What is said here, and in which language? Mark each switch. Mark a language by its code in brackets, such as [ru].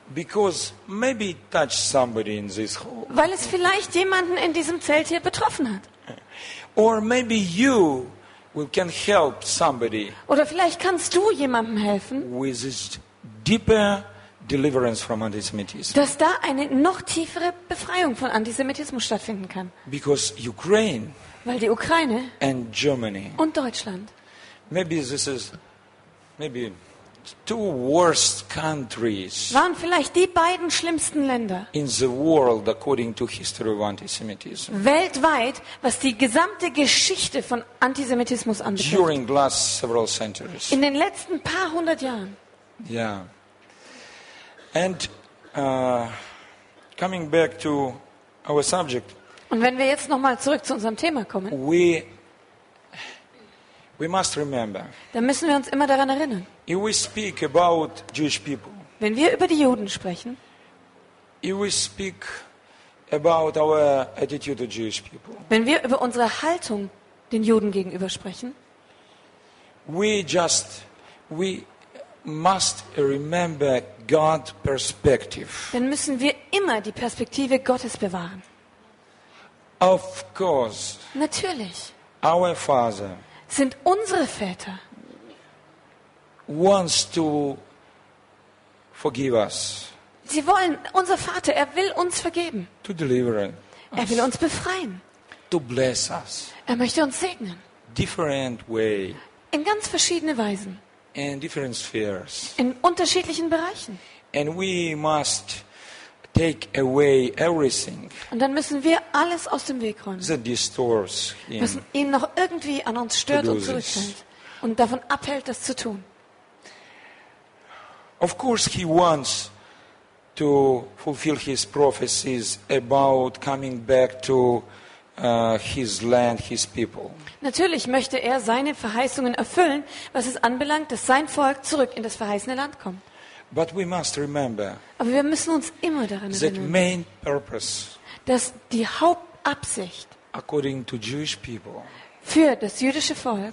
[en] Because maybe it touched somebody in this hall. [de] Weil es vielleicht jemanden in diesem Zelt hier betroffen hat. [en] Or maybe you can help somebody. [de] Oder vielleicht kannst du jemandem helfen. [en] With this deeper deliverance from antisemitism. [de] Dass da eine noch tiefere Befreiung von Antisemitismus stattfinden kann. [en] Because Ukraine. [de] Weil die Ukraine. [en] And Germany. [de] Und Deutschland. [en] Maybe this is maybe two worst countries. [de] Waren vielleicht die beiden schlimmsten Länder. [en] In the world according to history of antisemitism. [de] Weltweit, was die gesamte Geschichte von Antisemitismus anbetrifft. [en] During the last several centuries. [de] In den letzten paar hundert Jahren. [en] Yeah. And coming back to our subject. [de] Und wenn wir jetzt nochmal zurück zu unserem Thema kommen. [en] We must remember. [de] Dann müssen wir uns immer daran erinnern. [en] If we speak about Jewish people. [de] Wenn wir über die Juden sprechen. [en] If we speak about our attitude to Jewish people. [de] Wenn wir über unsere Haltung den Juden gegenüber sprechen. [en] We must remember God's perspective. [de] Dann müssen wir immer die Perspektive Gottes bewahren. [en] Of course. [de] Natürlich. [en] Our father. [de] Sind unsere Väter [en] wants to forgive us. [de] Sie wollen, unser Vater, er will uns vergeben. [en] To deliver us. [de] Er will uns befreien. [en] To bless us. [de] Er möchte uns segnen. [en] Different way. [de] In ganz verschiedene Weisen. [en] In different spheres. [de] In unterschiedlichen Bereichen. [en] And we must take away everything. [de] Und dann müssen wir alles aus dem Weg räumen. [en] That distorts him. [de] Müssen ihn noch irgendwie an uns stört und zurückhält und davon abhält, das zu tun. [en] Of course he wants to fulfill his prophecies about coming back to his land, his people. [de] Natürlich möchte er seine Verheißungen erfüllen, was es anbelangt, dass sein Volk zurück in das verheißene Land kommt. [en] But we must remember. [de] Aber wir müssen uns immer daran erinnern. [en] The main purpose. [de] Dass die Hauptabsicht. [en] According to Jewish people. [de] Für das jüdische Volk.